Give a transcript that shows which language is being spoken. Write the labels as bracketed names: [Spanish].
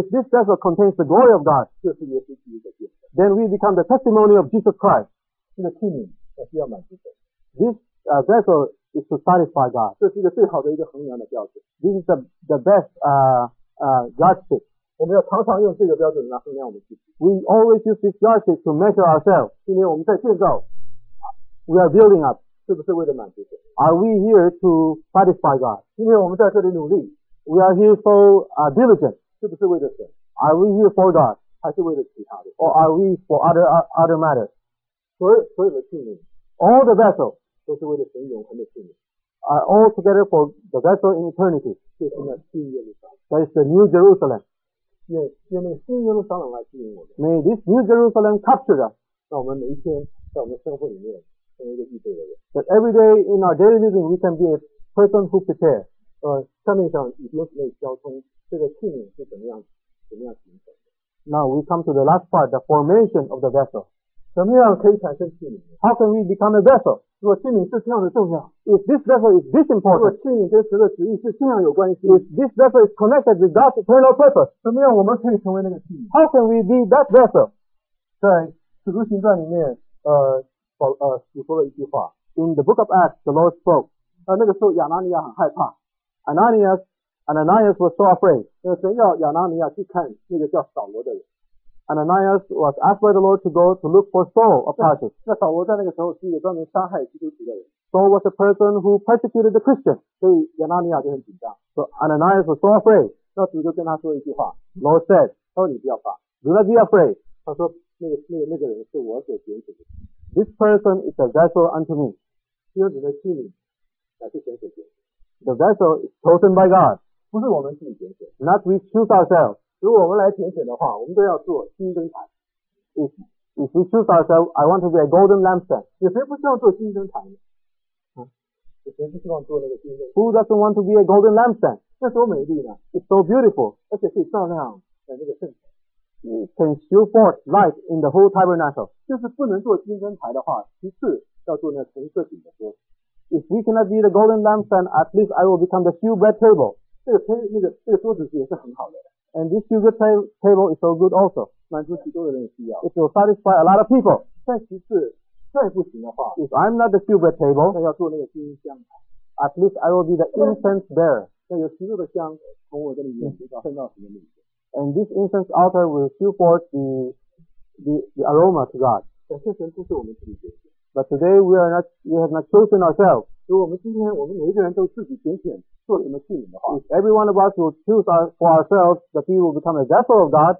[English] ，If this vessel contains the glory of God, [Chinese] 就是耶稣基督的见证。 [English] Then we become the testimony of Jesus Christ. [Chinese] 这个器皿它需要满足神。 [English] This vessel is to satisfy God. [Chinese] 这是一个最好的一个衡量的标准。 [English] This is the best yardstick. [Chinese] 我们要常常用这个标准来衡量我们自己。 [English] We always use this yardstick to measure ourselves. [Chinese] 今天我们在建造。 [English] We are building up. [Chinese] 是不是为了满足神 [English] ？Are we here to satisfy God? [Chinese] 今天我们在这里努力。 [English] We are here for diligence. [Chinese] 是不是为了神 [English] ？Are we here for God? [Chinese] 还是为了其他的 [English] ？Or are we for other matters? [Chinese] 所有的器皿。 [English] All the vessels. [Chinese] 都是为了神永恒的器皿。 [English] Are all together for the vessel in eternity. That is the New Jerusalem. May this New Jerusalem capture us. That every day in our daily living we can be a person who prepares. Now we come to the last part, the formation of the vessel. [Chinese] 怎么样可以产生器皿 [English] ？How can we become a vessel？ [Chinese] 如果器皿是这样的重要 [English] ，If this vessel is this important， [Chinese] 如果器皿跟神的旨意是这样有关系 [English] ，If this vessel is connected with God's eternal purpose， [Chinese] 怎么样我们可以成为那个器皿 [English] ？How can we be that vessel？ [Chinese] 在使徒行传里面，主说了一句话 [English] ，In the book of Acts， the Lord spoke。 [Chinese] 那个时候亚拿尼亚很害怕 [English] ，Ananias was so afraid。 [Chinese] 神要亚拿尼亚去看那个叫扫罗的人。 [English] Ananias was asked by the Lord to go to look for Saul of Tarsus. [Chinese] 那扫罗在那个时候是一个专门杀害基督徒的人。 [English] Saul was a person who persecuted the Christian. [Chinese] 所以亚拿尼亚就很紧张。 [English] So Ananias was so afraid. [Chinese] 那主就跟他说一句话。 [English] Lord said, [Chinese] 他说你不要怕。 [English] Do not be afraid. [Chinese] 他说那个人是我所拣选的。 [English] This person is a vessel unto me. [Chinese] 就指的器皿，乃是神所拣选。 [English] The vessel is chosen by God. [Chinese] 不是我们自己拣选。 [English] Not we choose ourselves. [Chinese] 如果我们来拣选的话，我们都要做金灯台。 [English] If we choose ourselves, I want to be a golden lampstand. [Chinese] 有谁不希望做金灯台呢？ [English] Who doesn't want to be a golden lampstand? [Chinese] 这多美丽呢！ [English] It's so beautiful. [Chinese] 而且可以照亮在那个圣城。 [English] It can shoot forth light in the whole tabernacle. [Chinese] 就是不能做金灯台的话，其次要做那橙色饼的桌。 [English] If we cannot be the golden lampstand, at least I will become the shewbread table. [Chinese] 这个桌子也是很好的。 [English] And this shewbread table is so good also. [Chinese] 满足许多人的需要。 [English] It will satisfy a lot of people. [Chinese] 但其次。再不行的话 [English] ，If I'm not the shewbread table， [Chinese] 那要做那个金香台。 [English] At least I will be the incense bearer。 [Chinese] 那有十六的香从我这里延伸到升到什么里面 [English] ？And this incense altar will shew forth the aroma to God。 [Chinese] 感谢神，不是我们自己拣选。 [English] But today we have not chosen ourselves。 [Chinese] 如果我们今天我们每一个人都自己拣选做什么器皿的话 [English] ，If every one of us will choose for ourselves, the people will become a vessel of God。